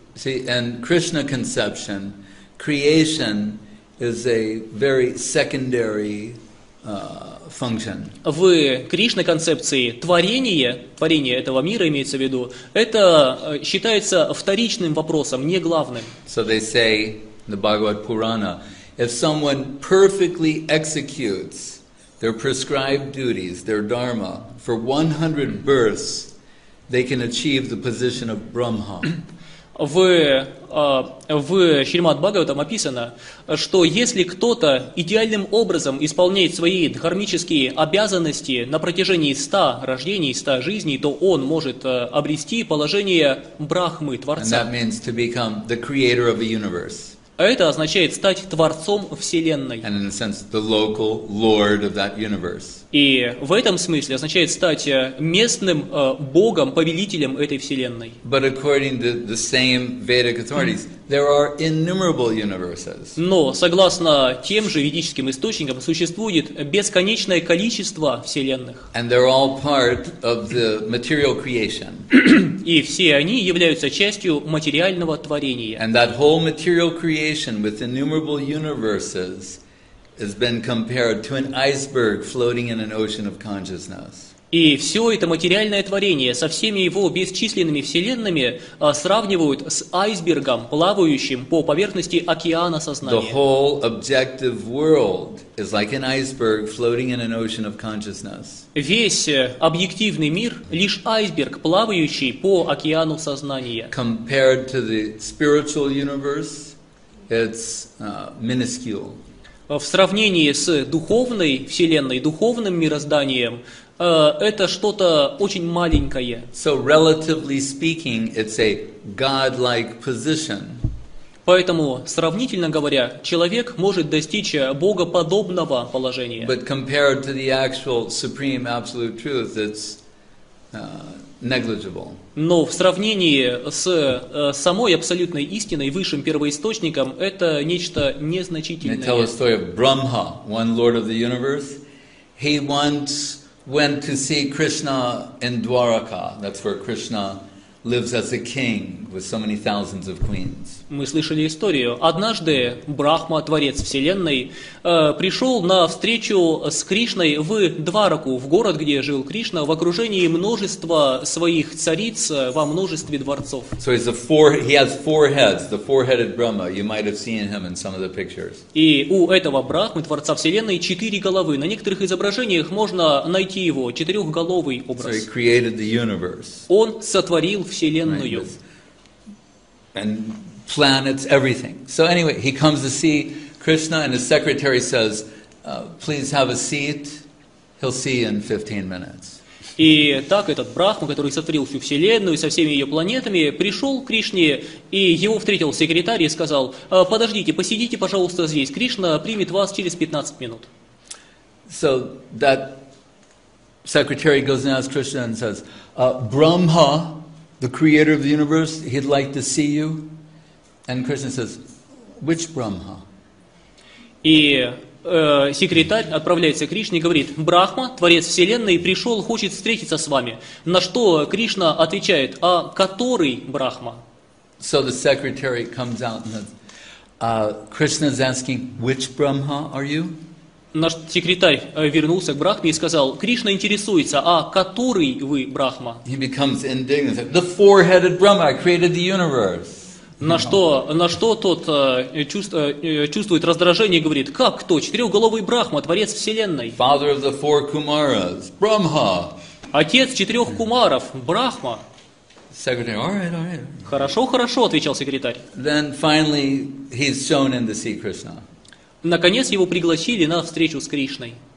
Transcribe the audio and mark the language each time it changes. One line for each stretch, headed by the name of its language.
English: See, and Krishna conception, creation is a very secondary function.
Russian: В Кришна концепции творение этого мира имеется в виду, это считается вторичным вопросом, не главным.
English: So they say in the Bhagavad Purana, if someone perfectly executes their prescribed duties, their dharma, for 100 births, they can achieve the position of Brahma.
Russian: В Шримад-Бхагаватам описано, что если кто-то идеальным образом исполняет свои дхармические обязанности на протяжении 100 рождений, 100 жизней, то он может обрести положение Брахмы, Творца.
English: And that means to become the creator of a universe.
Russian: Это означает стать Творцом Вселенной.
English: And in a sense, the local lord of that universe.
Russian: И в этом смысле означает стать местным богом, повелителем этой Вселенной.
English: But according to the same Vedic authorities, there are innumerable universes.
Russian: Но согласно тем же ведическим источникам, существует бесконечное количество Вселенных.
English: And they're all part of the material creation.
Russian: И все они являются частью материального творения.
English: And that whole material creation with innumerable universes has been compared to an iceberg floating in an ocean of consciousness.
Russian: И все это материальное творение со всеми его бесчисленными вселенными сравнивают с айсбергом, плавающим по поверхности океана сознания.
English: The whole objective world is like an iceberg floating in an ocean of consciousness.
Russian: Весь объективный мир – лишь айсберг, плавающий по океану сознания.
English: Compared to the spiritual universe, it's minuscule.
Russian: В сравнении с духовной вселенной, духовным мирозданием, это что-то очень маленькое.
English: So, relatively speaking, it's a God-like position.
Russian: Поэтому, сравнительно говоря, человек может достичь богоподобного положения.
English: But compared to the actual supreme absolute truth, it's negligible.
Russian: Но в сравнении с самой абсолютной истиной, высшим первоисточником, это нечто незначительное.
English: They tell a story of Brahma, one lord of the universe. He once went to see Krishna in Dwaraka. That's where Krishna lives as a king with so many thousands of queens.
Russian: Мы слышали историю. Однажды Брахма, творец вселенной, пришел на встречу с Кришной в Двараку, в город, где жил Кришна, в окружении множества своих цариц во множестве дворцов.
English: So he's he has four heads, the four-headed Brahma. You might have seen him in some of the pictures.
Russian: И у этого Брахмы, творца вселенной, 4 головы. На некоторых изображениях можно найти его 4-головый образ.
English: So he created the universe.
Russian: Он сотворил вселенную.
English: And planets, everything. So anyway, he comes to see Krishna, and his secretary says, please have a seat, he'll see you in 15 minutes.
Russian: И так этот Брахма, который сотворил всю Вселенную со всеми ее планетами, пришел к Кришне, и его встретил секретарь и сказал, подождите, посидите, пожалуйста, здесь, Кришна примет вас через 15 минут.
English: So that secretary goes and asks Krishna and says, Brahma, the creator of the universe, he'd like to see you. And Krishna says, which Brahma?
Russian: И секретарь отправляется к Кришне и говорит, Брахма, творец вселенной, пришел, хочет встретиться с вами. На что Кришна отвечает, а который Брахма?
English: So the secretary comes out and says, Krishna is asking, which Brahma are you?
Russian: Наш секретарь вернулся к Брахме и сказал, Кришна интересуется, а который вы Брахма?
English: He becomes indignant. The four-headed Brahma, I created the universe.
Russian: На что тот чувствует раздражение и говорит, как кто? Четырехголовый Брахма, творец вселенной.
English: Father of the four Kumaras, Brahma.
Russian: Отец четырех кумаров, Брахма.
English: Secretary, all right.
Russian: Хорошо, отвечал секретарь.
English: Then finally he's shown in to see Krishna.
Russian: Наконец его пригласили на встречу с Кришной.